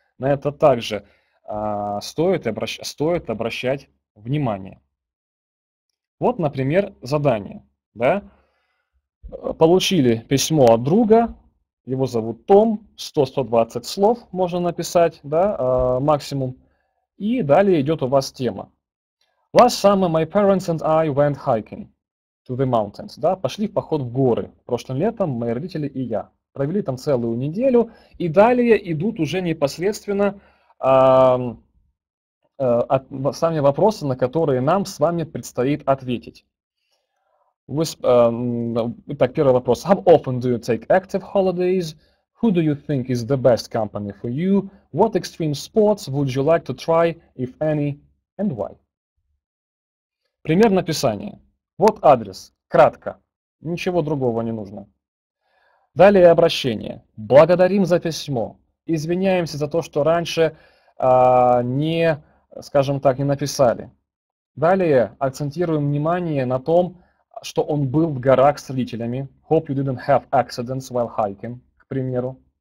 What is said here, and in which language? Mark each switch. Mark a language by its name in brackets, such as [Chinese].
[Russian] На это также стоит обращать внимание. Вот, например, задание. Да? Получили письмо от друга, его зовут Том, 100-120 слов можно написать, да, максимум. И далее идет у вас тема. [English] Last summer my parents and I went hiking to the mountains. [Russian] Да, пошли в поход в горы. Прошлым летом мои родители и я. Провели там целую неделю. И далее идут уже непосредственно сами вопросы, на которые нам с вами предстоит ответить. Итак, первый вопрос. [English] How often do you take active holidays? Who do you think is the best company for you? What extreme sports would you like to try, if any, and why? [Russian] Пример написания. Вот адрес. Кратко. Ничего другого не нужно. Далее обращение. Благодарим за письмо. Извиняемся за то, что раньше не, скажем так, не написали. Далее акцентируем внимание на том, что он был в горах с родителями. [English] Hope you didn't have accidents while hiking, [Russian] к примеру.